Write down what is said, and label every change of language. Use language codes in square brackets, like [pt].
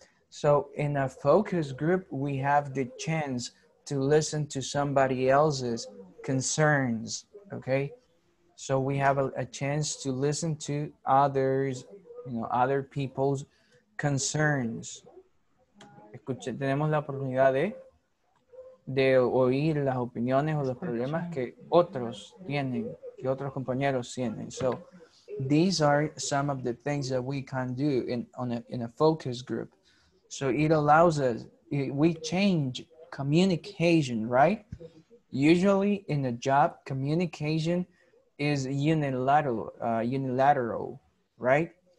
[en] So in a focus group, we have the chance to listen to somebody else's concerns, okay? So we have a chance to listen to others, you know, other people's concerns. [es] Escuche, tenemos la oportunidad de oír las opiniones o los problemas que otros tienen, que otros compañeros tienen. [en] So these are some of the things that we can do in a focus group. So it allows us, we change communication, right? Usually in a job, communication is unilateral, right?